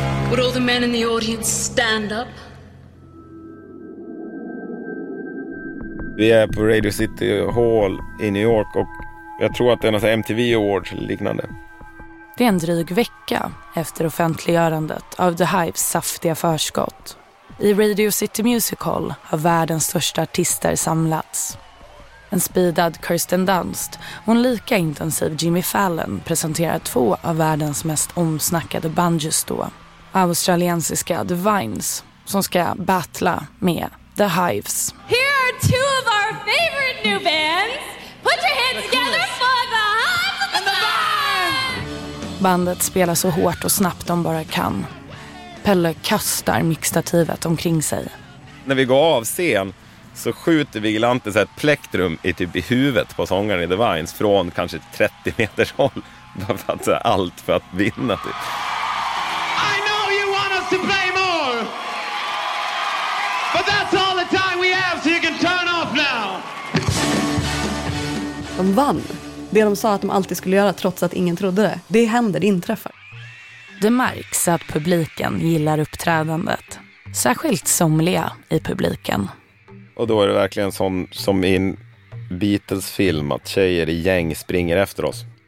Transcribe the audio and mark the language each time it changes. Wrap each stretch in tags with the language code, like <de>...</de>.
<en>Would all the men in the audience stand up?</en> <sv>Vi är på Radio City Hall i New York och Jag tror att det är något MTV Awards liknande. Det är en dryg vecka efter offentliggörandet av The Hives saftiga förskott. I Radio City Music Hall har världens största artister samlats. En speedad Kirsten Dunst och en lika intensiv Jimmy Fallon presenterar två av världens mest omsnackade band just då. Australiensiska The Vines som ska battla med The Hives.</sv> <en>Here are two of our favorite new bands. Put your hands together for The Hives and The Vines!</en> <sv>Bandet spelar så hårt och snabbt de bara kan. Pelle kastar mixtativet omkring sig. När vi går av scen så skjuter Vigilante så ett plektrum i typ i huvudet på sångaren i The Vines från kanske 30 meters håll. Bara för att säga allt för att vinna typ.</sv> <en>I know you want us to play more. But that's all the time we have so you can turn off now.</en> <sv>De vann. Det de sa att de alltid skulle göra trots att ingen trodde det. Det händer, det inträffar. Det märks att publiken gillar uppträdandet. Särskilt somliga i publiken. Och då är det verkligen sån, som i en Beatles-film att tjejer i gäng springer efter oss.</sv>